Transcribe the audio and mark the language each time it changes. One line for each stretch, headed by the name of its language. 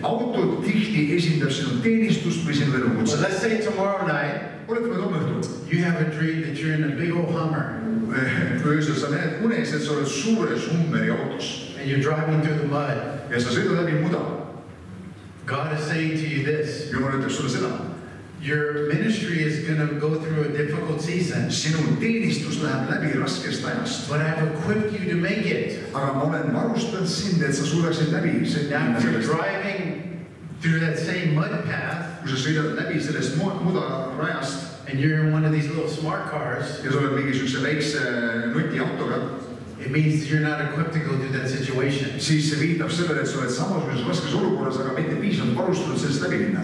English: Let's say tomorrow night, you have a dream that you're in a big old Hummer.
Estonian: öösel sa näed unes, et sa oled suures ummeri autos.
English: And you're driving through the mud.
Estonian: Ja sa sõidad läbi muda.
English: God is saying to you this.
Estonian: Jumal ütleb sulle seda.
English: Your ministry is going to go through a difficult season.
Estonian: Sinu teenistus läheb läbi raskest ajast.
English: But I've equipped you to make it.
Estonian: Aga ma olen varustanud sind, et sa suudaksid läbi.
English: Now you're driving through that same mud path.
Estonian: Kui sa sõidad läbi sellest muda rajast.
English: And you're in one of these little smart cars.
Estonian: Ja sa oled mingisuguse väikse nuti autoga.
English: It means you're not equipped to go through that situation.
Estonian: Siis see viitab selle, et sa oled samasuguses raskes olukorras, aga mitte piisavalt varustanud sellest läbi minna.